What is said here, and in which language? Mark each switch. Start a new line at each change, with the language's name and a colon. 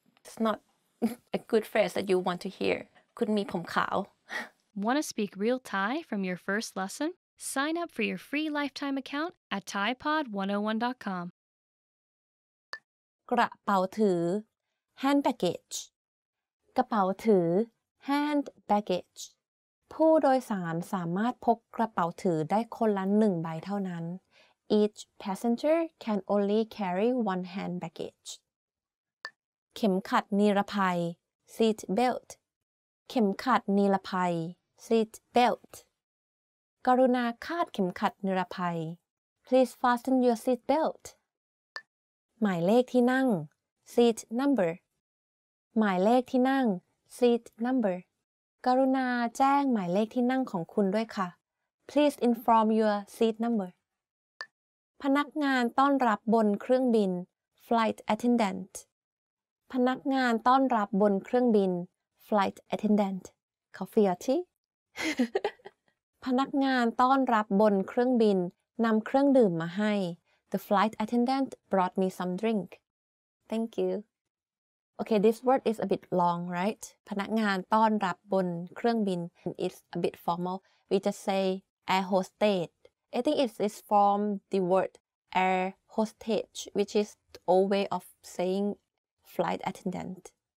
English: It's not a good phrase that you want to hear.
Thai: คุณมีผมขาว
English: Want to speak real Thai from your first lesson? Sign up for your free lifetime account at ThaiPod101.com.
Thai: กระเป๋าถือ
English: Hand baggage.
Thai: กระเป๋าถือ
English: hand baggage
Thai: ผู้โดยสารสามารถพกกระเป๋าถือได้คนละ1ใบเท่านั้น
English: each passenger can only carry one hand baggage
Thai: เข็มขัดนิรภัย
English: seat belt
Thai: เข็มขัดนิรภัย
English: seat belt
Thai: กรุณาคาดเข็มขัดนิรภัย
English: please fasten your seat belt
Thai: หมายเลขที่นั่ง
English: seat number
Thai: หมายเลขที่นั่ง
English: seat number
Thai: กรุณาแจ้งหมายเลขที่นั่งของคุณด้วยค่ะ
English: please inform your seat number
Thai: พนักงานต้อนรับบนเครื่องบิน
English: flight attendant
Thai: พนักงานต้อนรับบนเครื่องบิน
English: flight attendant coffee or tea
Thai: พนักงานต้อนรับบนเครื่องบินนำเครื่องดื่มมาให้
English: the flight attendant brought me some drink thank youOkay, this word is a bit long, right?
Thai: พนักงานต้อนรับบนเครื่องบิน
English: It's a bit formal. We just say air hostess. I think it's from the word air hostage, which is old way of saying flight attendant.